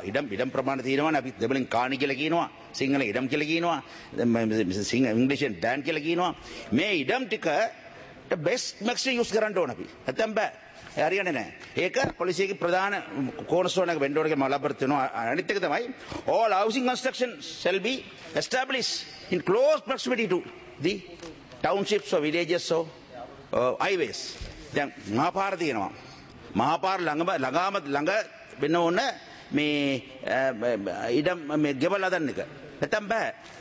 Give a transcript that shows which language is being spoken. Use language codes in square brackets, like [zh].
[si] ඉඩම් ප්‍රමාණය තියෙනවානේ අපි දෙමළෙන් කාණි කියලා කියනවා සිංහල ඉඩම් කියලා කියනවා සිංහල ඉංග්‍රීසියෙන් ඩෑන් කියලා කියනවා මේ ඉඩම් ටික බෙස්ට් මැක්සිමම් යූස් කරන්න ඕන අපි නැත්නම් බෑ හරියන්නේ නැහැ. ඒක පොලිසියගේ ප්‍රධාන කෝණස්ටෝන් එක වෙන්න ඕන කියලා බලාපොරොත්තු වෙනවා. අනිත් එක තමයි [en] all housing construction shall be established in close proximity to the townships or villages or highways. [si] දැන් මහපාර තියෙනවා. මහපාර ළඟ වෙන්න ඕන මේ ඉඩම් මේ ගෙවල් හදන්න එක. නැත්තම් බෑ.